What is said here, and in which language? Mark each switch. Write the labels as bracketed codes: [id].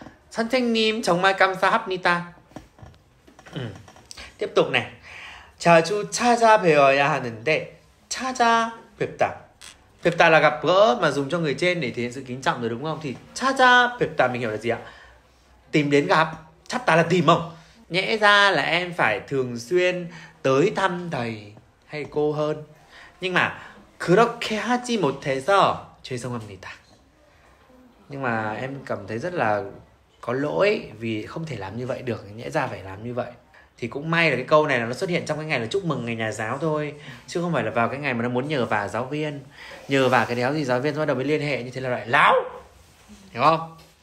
[ko] 선생님 정말 감사합니다. [vi] Tiếp tục này. [ko] 자주 찾아뵈어야 하는데 찾아뵙다. [vi] 뵙다 là gặp gỡ mà dùng cho người trên để thể hiện sự kính trọng rồi, đúng không? Thì 찾아뵙다 mình hiểu là gì ạ? Tìm đến gặp. 찾다 là tìm không? Nhẽ ra là em phải thường xuyên tới thăm thầy hay cô hơn. Nhưng mà [ko] 그렇게 하지 못해서 죄송합니다. [vi] Nhưng mà em cảm thấy rất là có lỗi vì không thể làm như vậy được, nhẽ ra phải làm như vậy. Thì cũng may là cái câu này là nó xuất hiện trong cái ngày là chúc mừng ngày nhà giáo thôi, chứ không phải là vào cái ngày mà nó muốn nhờ vả giáo viên. Nhờ vả cái đéo gì giáo viên bắt đầu mới liên hệ, như thế là loại láo, hiểu không?